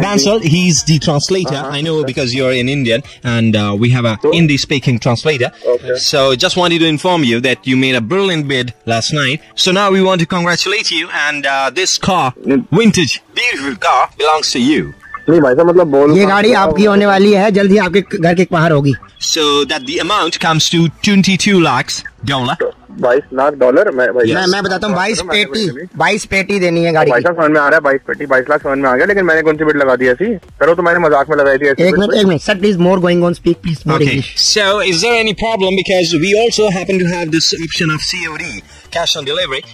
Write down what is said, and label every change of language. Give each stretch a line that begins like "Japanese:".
English: Bansal, he's the translator. Uh-huh. I know because you're in Indian, and we have a Hindi-speaking translator. Okay. So just wanted to inform you that you made a brilliant bid last night. So now we want to congratulate you, and this car, vintage. Beautiful car belongs to you.
Hindi: नहीं भाई साहब, मतलब बोल, ये गाड़ी आपकी होने वाली है, जल्दी आपके घर के बाहर होगी.
English: So that the amount comes to 22 lakhs dollar. $22,000
Hindi: मैं बताता हूँ, 22 पेटी देनी है गाड़ी। 22 लाख फोन में आ रहा है, 22 पेटी 22 लाख फोन में आ गया, लेकिन मैंने कौन सी बिट लगा दी ऐसी, करो तो मैंने मजाक में लगाई थी। एक minute sir,
English: Please more going on speak please more English. So is there any problem because we also happen to have this option of COD cash on delivery.